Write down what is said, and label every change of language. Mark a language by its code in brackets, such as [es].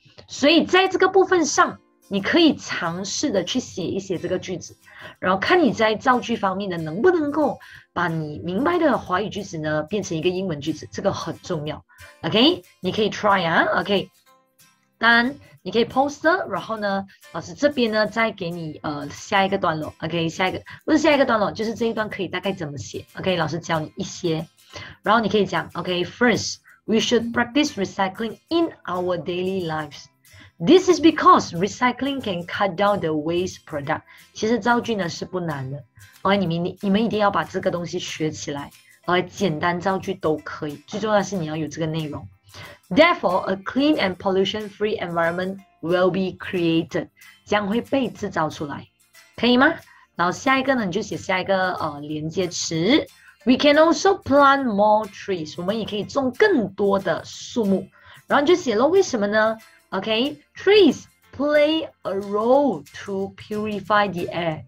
[zh] 所以在这个部分上，你可以尝试的去写一写这个句子，然后看你在造句方面呢，能不能够把你明白的华语句子呢，变成一个英文句子，这个很重要。 OK， 你可以 try 啊 ，OK。当然你可以 poster， 然后呢老师这边呢再给你下一个段落 ,OK, 下一个不是下一个段落，就是这一段可以大概怎么写 ,OK, 老师教你一些。然后你可以讲 [en] ,OK, first, we should practice recycling in our daily lives. This is because recycling can cut down the waste product. [zh] 其实造句呢是不难的 ,OK, 你们一定要把这个东西学起来 ,OK, 简单造句都可以，最重要的是你要有这个内容。 [en] Therefore, a clean and pollution-free environment will be created. [zh] 将会被制造出来，可以吗？然后下一个呢，你就写下一个连接词。 [en] We can also plant more trees. [zh] 我们也可以种更多的树木。然后你就写了为什么呢 [en] ？OK, trees play a role to purify the air.